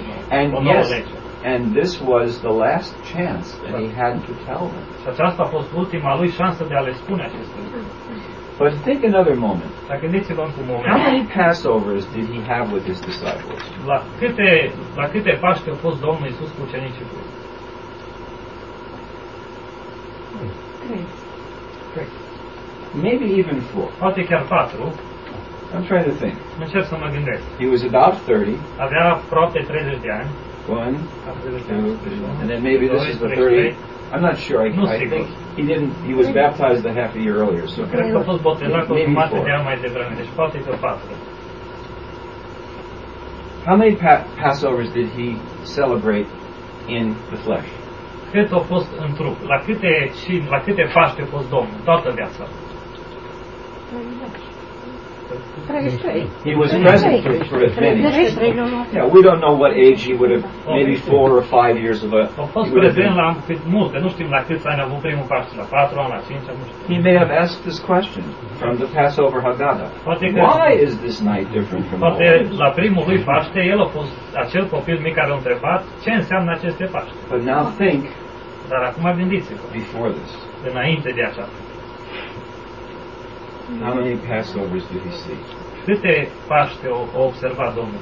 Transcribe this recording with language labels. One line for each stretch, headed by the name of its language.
English: And yes, and this was the last chance that he had to tell them.
Romanian: Și aceasta a fost ultima lui șansă de a le spune acest lucru.
English: But take another moment.
Romanian: Dacă gândiți-vă un moment.
English: How many Passovers did he have with his disciples?
Romanian: La câte Paște a fost Domnul Iisus cu ucenicii lui?
English: Maybe even four.
Romanian: Poate chiar patru.
English: I'm trying to think.
Romanian: Mă încerc să mă gândesc.
English: He was about 30.
Romanian: Avea aproape 30 de ani.
English: One, two, three, and then maybe this is the 30. I'm not sure. I think he didn't. He was baptized a half a year earlier, so maybe four. How many Passovers did he celebrate in the flesh?
Romanian: Cât a fost în trup? La câte cine, la câte Paște a fost Domnul? Toată viața.
English: 33. He was present for as many. Yeah, we don't know what age he would have, maybe 4 or 5 years of a...
Romanian: A fost prezent la cât multe, nu știm la câți ani a avut primul Paște, la 4 ani, la 5 ani, nu știu.
English: He may have asked this question from the Passover Haggadah. Why is this night different from all?
Romanian: Poate la primul lui Paște, el a fost acel copil mic care a întrebat ce înseamnă aceste Paște.
English: But now think...
Romanian: Dar acum gândiți-vă.
English: Before this.
Romanian: Înainte de aceasta.
English: How many Passovers did he see?
Romanian: Câte Paște a observat Domnul?